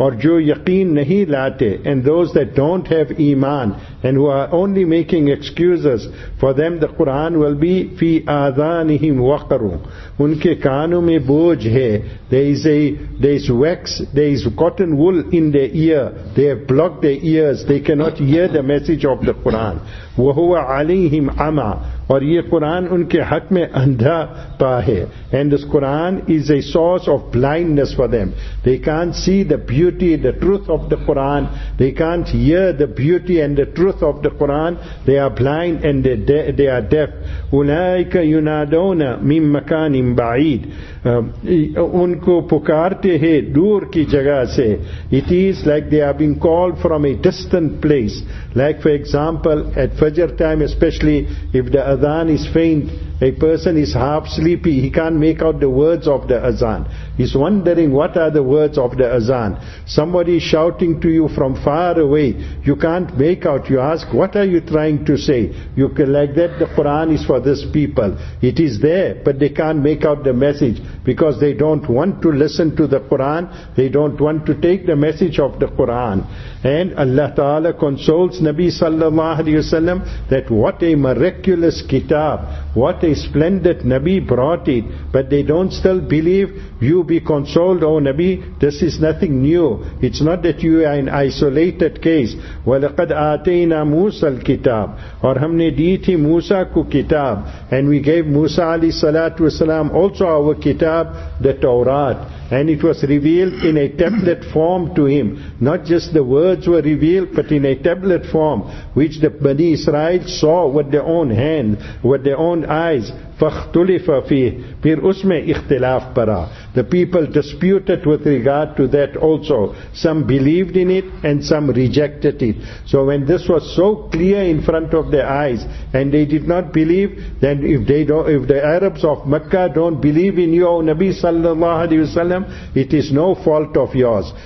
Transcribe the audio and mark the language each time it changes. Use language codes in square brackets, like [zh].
[ur] اور جو یقین نہیں لاتے, [en] and those that don't have ایمان, and who are only making excuses, for them the Quran will be [ar] فی آذانہم وقروں, [ur] ان کے کانوں میں بوجھ ہے. [en] There is wax, there is cotton wool in their ear, they have blocked their ears, they cannot hear the message of the Quran. [ar] وَهُوَ عَلَيْهِمْ عَمَى, [ur] اور یہ قرآن ان کے حق میں اندھا پا ہے. [en] And this Quran is a source of blindness for them. They can't see the beauty, the truth of the Quran. They can't hear the beauty and the truth of the Quran. They are blind and they are deaf. [ar] أُولَٰئِكَ يُنَادَوْنَ مِن مَكَانٍ بَعِيدٍ, [ur] ان کو پکارتے ہیں دور کی جگہ سے. [en] It is like they are being called from a distant place. Like for example, at Fajr time, especially if the Adhan is faint, a person is half sleepy, he can't make out the words of the Adhan. He's wondering what are the words of the Adhan. Somebody is shouting to you from far away, you can't make out, you ask, what are you trying to say? You can, like that, the Quran is for this people. It is there, but they can't make out the message because they don't want to listen to the Quran, they don't want to take the message of the Quran. And Allah Ta'ala consoles Nabi Sallallahu Alaihi Wasallam that what a miraculous kitab, what a splendid Nabi brought it, but they don't still believe. You be consoled, O Nabi, this is nothing new. It's not that you are an isolated case. [ar] وَلَقَدْ آتَيْنَا مُوسَى الْكِتَابِ, [ur] اور ہم نے دی تھی موسیٰ کو کتاب. [en] And we gave Musa alayhi salatu wasalam also our kitab, the Torah. And it was revealed in a tablet form to him. Not just the words were revealed, but in a tablet form, which the Bani Israel saw with their own hand, with their own eyes. [ar] فَاخْتُلِفَ فِيهِ, [ur] پھر اس میں اختلاف پرا. [en] The people disputed with regard to that also. Some believed in it and some rejected it. So when this was so clear in front of their eyes and they did not believe, then if the Arabs of Mecca don't believe in you, O Nabi sallallahu alayhi wa sallam, it is no fault of yours.